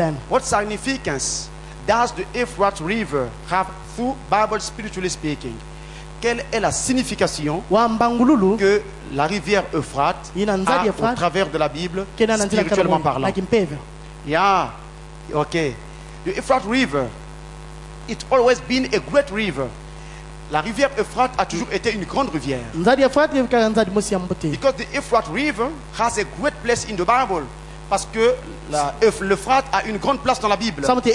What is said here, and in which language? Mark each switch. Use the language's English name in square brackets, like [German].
[English] What significance does the Euphrate River have through Bible spiritually speaking? [French] Quelle est la signification que la rivière Euphrate a au travers de la Bible, spirituellement parlant? [English] Yeah, okay. The Euphrate River, it's always been a great river. [French] La rivière Euphrate a toujours été une grande rivière. [English] Because the Euphrate River has a great place in the Bible. [French] Parce que l'Euphrate a une grande place dans la Bible.